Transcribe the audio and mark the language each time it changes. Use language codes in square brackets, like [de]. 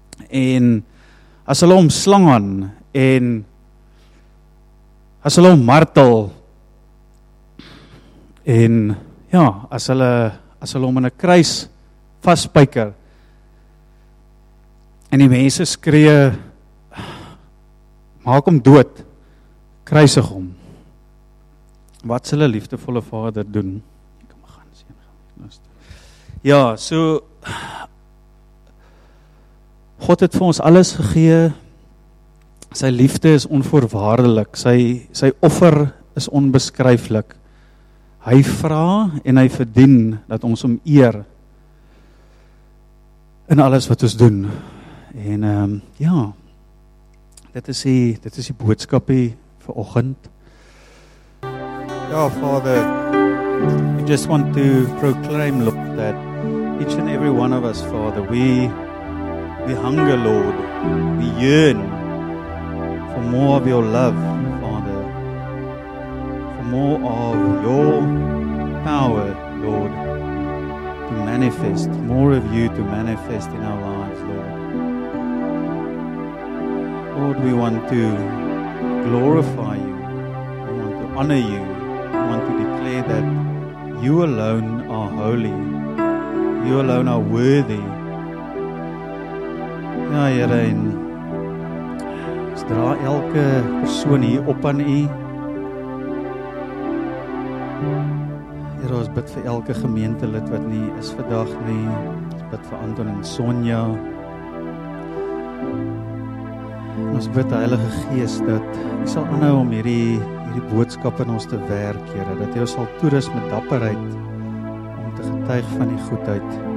[af] En as hulle hom slang aan en as hulle hom martel en ja, as hulle hom in 'n kruis vasspijker en die mense skree, maak hom dood, kruisig hom, wat sal 'n liefdevolle vader doen? Ja, so God het vir ons alles gegee. Sy liefde is onvoorwaardelik. Sy offer is onbeskryflik. Hy vra en hy verdien dat ons hom eer in alles wat ons doen. En ja, dit is die boodskapie vir oggend. [en] Ja, Vader, I just want to proclaim, Lord, that each and every one of us, Father, we hunger, Lord, we yearn for more of your love, Father, for more of your power, Lord, to manifest, more of you to manifest in our lives, Lord. Lord, we want to glorify you, we want to honor you, we want to declare that you alone are holy. You alone are worthy. [af] Ja, Here, en ons dra elke persoon hier op aan U. Here, ons bid vir elke gemeentelid wat nie is vandag nie. Ons bid vir Anton en Sonja. Ons bid, Heilige Gees, dat U sal aanhou om hierdie boodskap in ons te werk, Here, dat U ons sal toerus met dapperheid om te getuig van die goedheid.